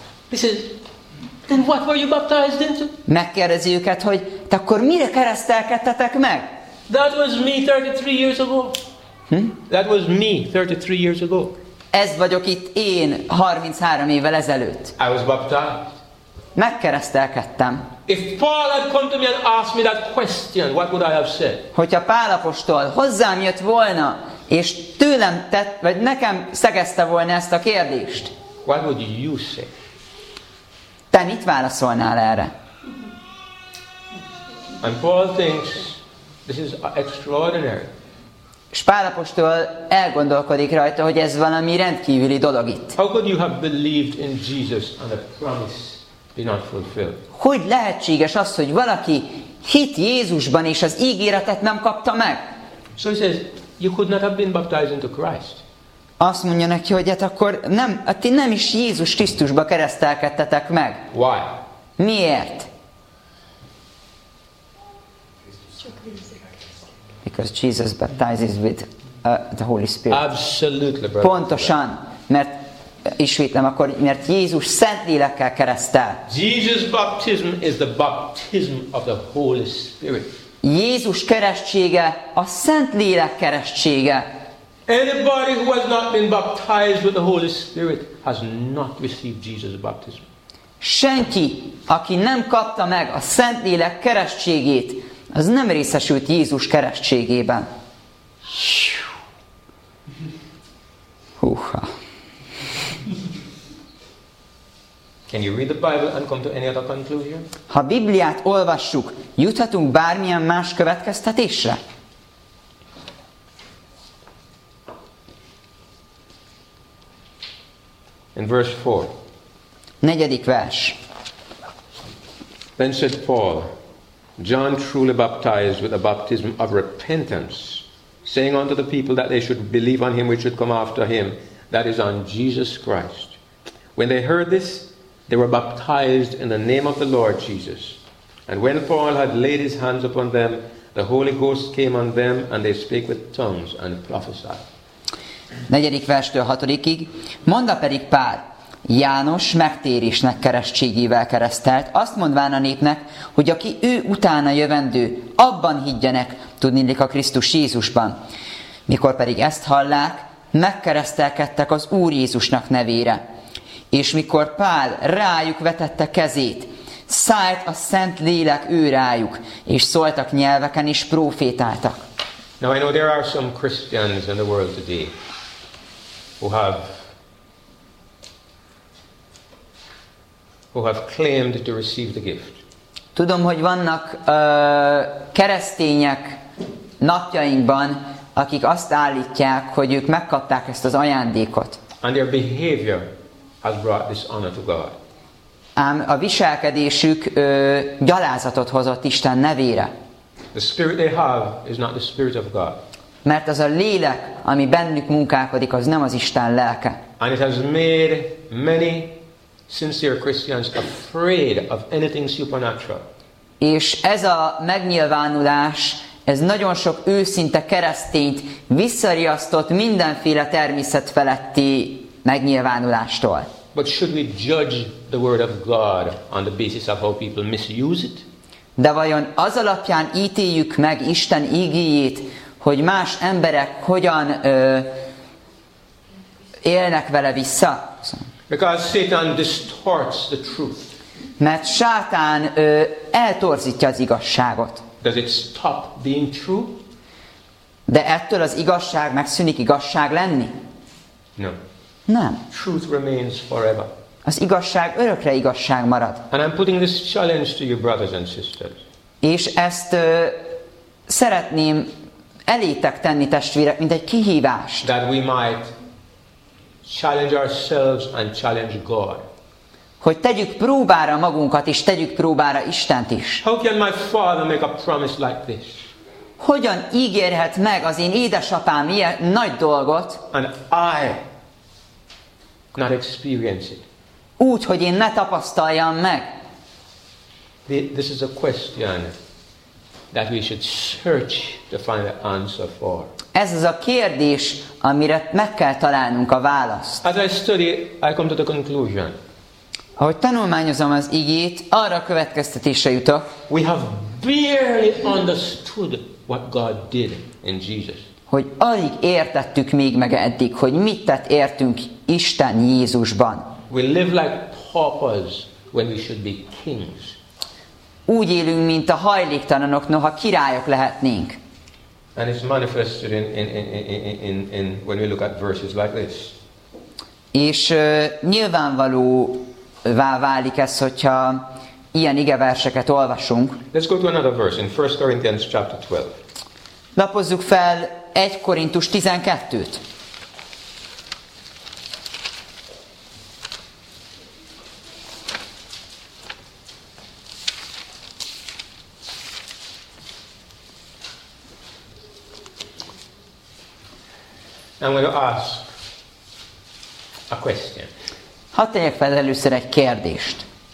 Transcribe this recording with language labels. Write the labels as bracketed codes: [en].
[en] This is, then what were you baptized into? [hu] Megkérdezi őket, hogy te akkor mire keresztelkedtetek meg? [en] That was me 33 years ago. That was me 33 years ago. [hu] Ez vagyok itt én 33 évvel ezelőtt. [en] I was baptized. [hu] Megkeresztelkedtem. [en] If Paul had come to me and asked me that question, what would I have said? [hu] Hogyha Pál apostol hozzám jött volna, és tőlem tett, vagy nekem szegezte volna ezt a kérdést. [en] What would you say? [hu] Te mit válaszolnál erre? [en] And Paul thinks this is extraordinary. [hu] És Pál apostol elgondolkodik rajta, hogy ez valami rendkívüli dolog itt. [en] How could you have believed in Jesus and a promise be not fulfilled? [hu] Hogy lehetséges az, hogy valaki hit Jézusban és az ígéretet nem kapta meg? [en] So he says, you could not have been baptized into Christ. [hu] Azt mondja neki, hogy hát akkor nem, ti nem is Jézus Krisztusba keresztelkedtetek meg. [en] Why? [hu] Miért? [en] Because Jesus baptizes with the Holy Spirit. Absolutely, brother. [hu] Pontosan, mert ismétlem akkor, mert Jézus Szentlélekkel keresztel. [en] Jesus baptism is the baptism of the Holy Spirit. [hu] Jézus keresztsége a Szentlélek keresztsége. [en] Anybody who has not been baptized with the Holy Spirit has not received Jesus' baptism. [hu] Senki, aki nem kapta meg a Szentlélek keresztségét, az nem részesült Jézus keresztségében. Húha. [en] Can you read the Bible and come to any other conclusion? [hu] Ha Bibliát olvassuk, juthatunk bármilyen más következtetésre? [en] In verse 4. [hu] Negyedik vers. [en] Then said Paul, John truly baptized with a baptism of repentance, saying unto the people that they should believe on him which should come after him, that is on Jesus Christ. When they heard this, they were baptized in the name of the Lord Jesus. And when Paul had laid his hands upon them, the Holy Ghost came on them, and they spake with tongues and prophesied. [hu] Negyedik verstől hatodikig, mondta pedig Pál, János megtérésnek keresztségével keresztelt, azt mondván a népnek, hogy aki ő utána jövendő, abban higgyenek, tudnillik a Krisztus Jézusban. Mikor pedig ezt hallák, megkeresztelkedtek az Úr Jézusnak nevére. És mikor Pál rájuk vetette kezét, szállt a Szent Lélek ő rájuk, és szóltak nyelveken és profétáltak. [en] Now I know there are some Christians in the world today who have claimed to receive the gift. [hu] Tudom, hogy vannak keresztények napjainkban, akik azt állítják, hogy ők megkapták ezt az ajándékot. [en] And their behavior has brought this honor to God. [hu] Ám a viselkedésük gyalázatot hozott Isten nevére. [en] The spirit they have is not the spirit of God. [hu] Mert az a lélek, ami bennük munkálkodik, az nem az Isten lelke. [en] And it has made many sincere Christians afraid of anything supernatural. [hu] És ez a megnyilvánulás, ez nagyon sok őszinte keresztényt visszariasztott mindenféle természet feletti megnyilvánulástól. [en] But should we judge the word of God on the basis of how people misuse it? [hu] De vajon az alapján ítéljük meg Isten ígéjét, hogy más emberek hogyan élnek vele vissza? [en] Because Satan distorts the truth. [hu] Mert Sátán eltorzítja az igazságot. [en] Does it stop being true? [hu] De ettől az igazság megszűnik igazság lenni? [en] No. [hu] Nem. [en] Truth remains forever. [hu] Az igazság örökre igazság marad. [en] And I'm putting this challenge to you, brothers and sisters. [hu] És ezt szeretném elétek tenni, testvérek, mint egy kihívást. [en] That we might challenge ourselves and challenge God. [hu] Hogy tegyük próbára magunkat, és tegyük próbára Istent is. [en] How can my father make a promise like this? [hu] Hogyan ígérhet meg az én édesapám ilyen nagy dolgot? [en] And I not experience it. [hu] Úgy, hogy én ne tapasztaljam meg. [en] This is a question that we should search to find the answer for. [hu] Ez az a kérdés, amire meg kell találnunk a választ. [en] As I study, I come to the conclusion. [hu] Ahogy tanulmányozom az igét, arra a következtetésre jutok. [en] We have barely understood what God did in Jesus. [hu] Hogy alig értettük még meg eddig, hogy mit tett értünk Isten Jézusban. [en] We live like paupers when we should be kings. [hu] Úgy élünk, mint a hajléktalanok, noha királyok lehetnénk. [en] And it's manifested in when we look at verses like this. [hu] És nyilvánvalóvá válik ez, hogyha ilyen igeverseket olvasunk. [en] Let's go to another verse in 1 Corinthians chapter 12. [hu] Lapozzuk fel 1 Korintus 12-t. [en] I'm going to ask a question. [hu] Hadd tegyek fel először egy kérdést.